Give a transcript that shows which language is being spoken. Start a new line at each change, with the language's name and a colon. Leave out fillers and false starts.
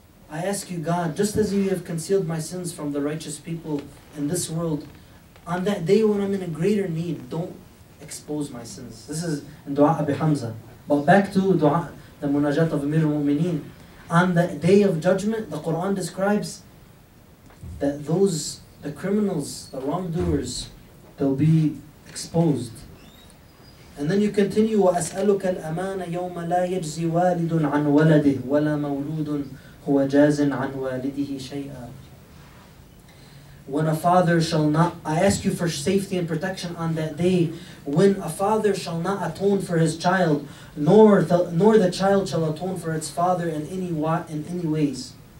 English: I ask you, God, just as you have concealed my sins from the righteous people in this world, on that day when I'm in a greater need, don't expose my sins. This is in Dua Abi Hamza. But back to Dua, the Munajat of Amir al-Mu'mineen. On the day of judgment, the Quran describes that the criminals, the wrongdoers, they'll be exposed. And then you continue,
Arabic: وَأَسْأَلُكَ الْأَمَانَ يَوْمَ لَا يَجْزِي وَالِدٌ عَنْ وَلَدِهِ وَلَا مَوْلُودٌ هُوَ جَازٍ عَنْ وَالِدِهِ شَيْئًا.
English: When a father shall not, I ask you for safety and protection on that day, when a father shall not atone for his child, nor the child shall atone for its father in any ways.